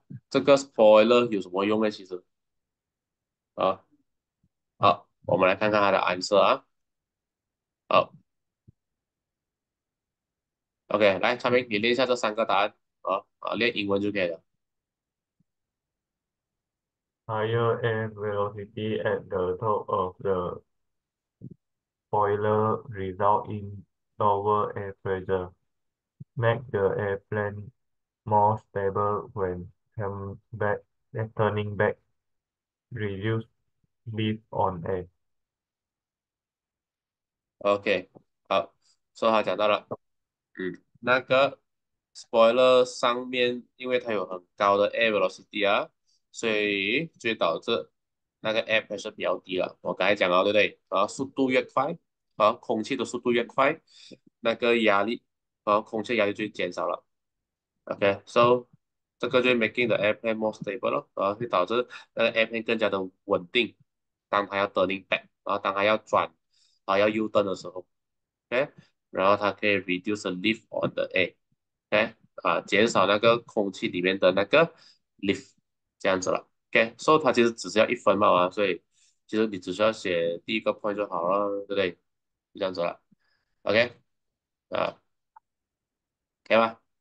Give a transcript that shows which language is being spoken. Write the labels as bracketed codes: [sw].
[zh] 这个 spoiler 有什么用呢？其实，好，我们来看看它的 answer 啊。好。 OK，来，昌明，你练一下这三个答案，练英文就可以了。 [en] Higher air velocity at the top of the boiler result in lower air pressure. Make the airplane more stable when turning back. Reduce lift on air. [zh] OK，好，说好讲到了，那个 spoiler 上面，因为它有很高的 air velocity 啊，所以就导致那个 air pressure 比较低了。我刚才讲了，对不对？速度越快，空气的速度越快，那个压力，空气压力就减少了。 OK，so 这个就 [en] making the airplane more stable [zh] 了，会导致那个 airplane 更加的稳定。当它要 turning back，当它要转，要 U turn 的时候，然后它可以 [en] reduce the lift on the air， [zh] OK，减少那个空气里面的那个 lift 这样子了。 OK，所、okay, 以、so、它其实只需要一分嘛，所以其实你只需要写第一个 point 就好了，对不对？就这样子了。OK，可以吗？